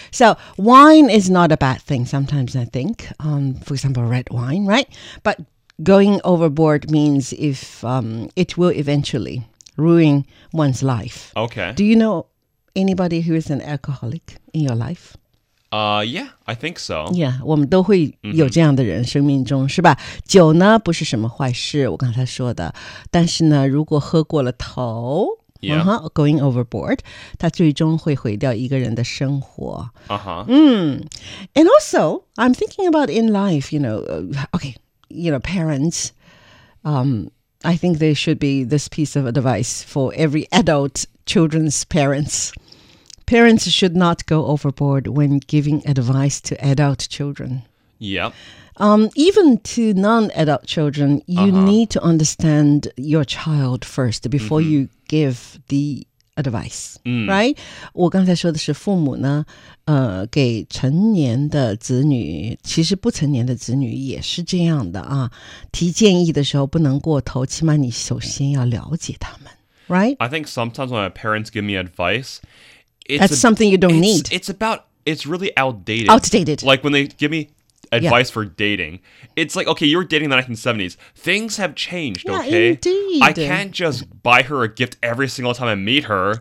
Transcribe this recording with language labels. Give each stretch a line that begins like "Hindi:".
English: So wine is not a bad thing sometimes, I think. For example, red wine, right? But going overboard means if it will eventually ruin one's life. Okay. Do you know anybody who is an alcoholic in your life? Yeah, I think so.
Chinese: Yeah, 我们都会有这样的人生命中，是吧？酒呢，不是什么坏事，我刚才说的。但是呢，如果喝过了头
English: going overboard,
Chinese: 它最终会毁掉一个人的生活。
English: And also, I'm thinking about in life, you know, parents, I think there should be this piece of advice for every adult children's parents. Parents should not go overboard when giving advice to adult children. Yep. Even to non-adult children, you need to understand your child first before you give the advice, right?
Chinese: 我刚才说的是父母呢，给成年的子女，其实不成年的子女也是这样的啊。提建议的时候不能过头，起码你首先要了解他们， right?
English: I think sometimes when my parents give me advice, That's something you don't need. It's really outdated. Outdated. Like when they give me advice for dating, it's like, okay, you were dating in the 1970s. Things have changed, yeah, okay? Yeah, indeed. I can't just buy her a gift every single time I meet her.